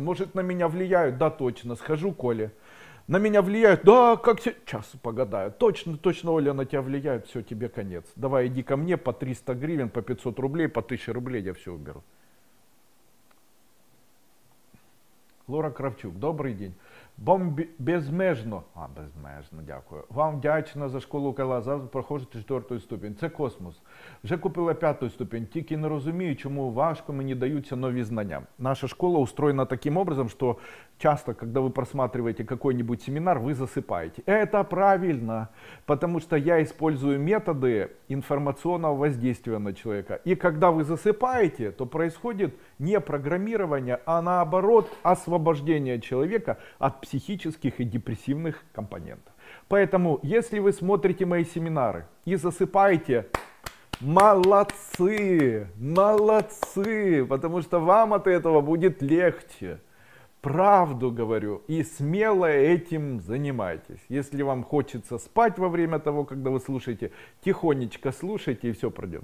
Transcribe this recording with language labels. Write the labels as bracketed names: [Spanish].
[Russian] Может, на меня влияют? Да, точно. Схожу к Оле. На меня влияют? Да, как все? Сейчас погадаю. Точно, точно, Оля, на тебя влияют. Все, тебе конец. Давай, иди ко мне по 300 гривен, по 500 рублей, по 1000 рублей. Я все уберу. Лора Кравчук, добрый день. [Ukrainian] Безмежно. А, безмежно, дякую. Вам вдячна за школу Кайла, зараз проходжу 4 ступінь. Це космос. Вже купила 5 ступінь, тільки не розумію, чому важко мені даються нові знання. Наша школа устроєна [Russian] таким образом, [Ukrainian] що часто, коли ви просматриваєте [Russian] какой-нибудь [Ukrainian] семінар, ви засипаєте. Це правильно, тому що я использую методи інформаційного [Russian] воздействия на человека. [Ukrainian] І коли ви засипаєте, то відбувається [Russian] не программирование, а наоборот освобождение человека от психических и депрессивных компонентов. Поэтому, если вы смотрите мои семинары и засыпаете, молодцы, молодцы, потому что вам от этого будет легче. Правду говорю, и смело этим занимайтесь. Если вам хочется спать во время того, когда вы слушаете, тихонечко слушайте, и все пройдет.